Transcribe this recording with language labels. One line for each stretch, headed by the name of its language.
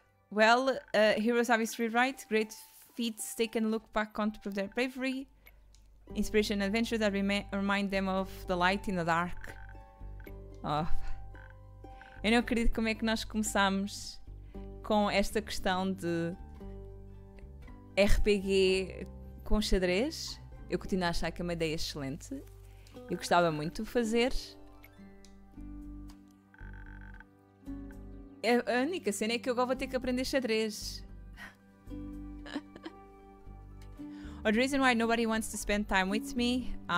English: Well, Heroes Abyss Rewrite, great feats taken look back on to prove their bravery, inspiration and adventure that remind them of the light in the dark. Oh.
Portuguese: Eu não acredito como é que nós começámos com esta questão de RPG com xadrez. Eu continuo a achar que é uma ideia excelente. Eu gostava muito de fazer. A única cena é que eu agora vou ter que aprender xadrez.
English: Or the reason why nobody wants to spend time with me.